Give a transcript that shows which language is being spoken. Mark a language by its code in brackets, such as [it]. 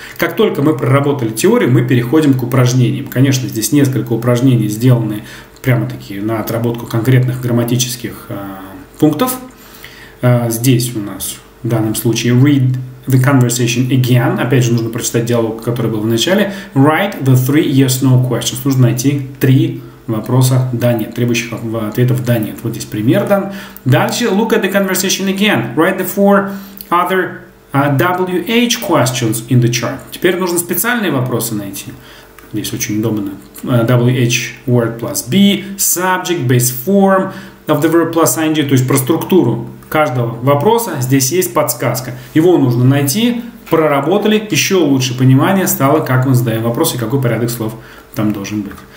[ru] Как только мы проработали теорию, мы переходим к упражнениям. Конечно, здесь несколько упражнений сделаны прямо-таки на отработку конкретных грамматических пунктов. Здесь у нас в данном случае [en] read the conversation again. [ru] Опять же, нужно прочитать диалог, который был в начале. [en] Write the 3 yes-no questions. [ru] Нужно найти 3 вопроса да-нет, требующих ответов да-нет. Вот здесь пример дан. Дальше, [en] look at the conversation again. Write the 4 other WH questions in the chart. [ru] Теперь нужно специальные вопросы найти. Здесь очень удобно. [en] WH word plus be, subject, base form of the verb plus ing, [ru] то есть про структуру каждого вопроса здесь есть подсказка. Его нужно найти, проработали, еще лучше понимание стало, как мы задаем вопрос и какой порядок слов там должен быть.